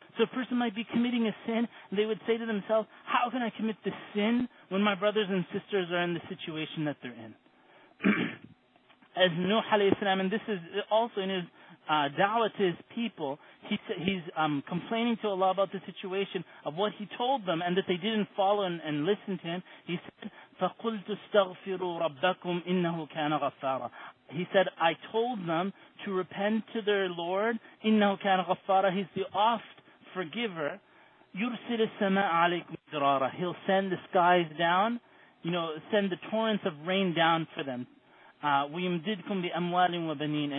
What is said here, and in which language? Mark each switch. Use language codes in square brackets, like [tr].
[en] So a person might be committing a sin, and they would say to themselves, how can I commit this sin when my brothers and sisters are in the situation that they're in? As Nuh alayhi salam, and this is also in his dawah to his people, he's complaining to Allah about the situation of what he told them and that they didn't follow and listen to him. He said, [ar] فَقُلْتُ اسْتَغْفِرُوا رَبَّكُمْ إِنَّهُ كَانَ غَفَّارًا. [en] He said, I told them to repent to their Lord. [ar] إِنَّهُ كَانَ غَفَّارًا. [en] He's the oft forgiver. [ar] يُرْسِلِ السَّمَاءَ عَلَيْكُمْ مِدْرَارًا. [en] He'll send the skies down, you know, send the torrents of rain down for them. [ar] وَيُمْدِدْكُمْ بِأَمْوَالٍ وَبَنِينَ.